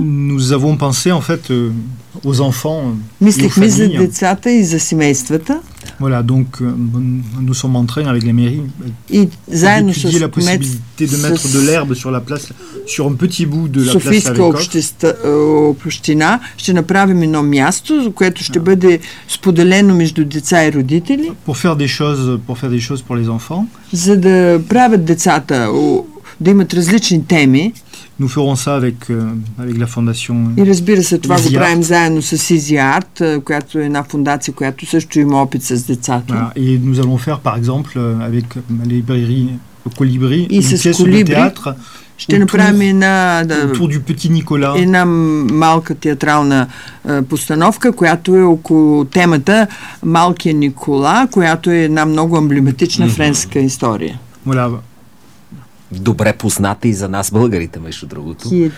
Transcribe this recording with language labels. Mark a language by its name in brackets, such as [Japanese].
[French] Nous avons pensé en fait aux enfants. [Bulgarian] Мислихме за децата и за семействата. [French] Voilà, donc nous sommes en train avec les mairies d'étudier la possibilité de mettre de l'herbe sur la place, sur un petit bout de la place Ревкоф. [Bulgarian] Софийска община, ще направим едно място, което ще бъде споделено между деца и родители. [French] Pour faire des choses pour les enfants. [Bulgarian] За да правят децата, да имат различни теми. [French] Nous ferons ça avec la fondation. [Bulgarian] И разбира се, това го правим заедно с Easy Art, която е една фондация, която също има опит с децата. [French] Voilà. Et nous allons faire, par exemple, avec la librairie Colibri, и une pièce de théâtre. [Bulgarian] Ще направим [French] autour du petit Nicolas. [Bulgarian] Една малка театрална постановка, която е около темата Малкия Никола, която е една много емблематична френска история. [French] Voilà. [Bulgarian] Добре позната и за нас българите, между другото.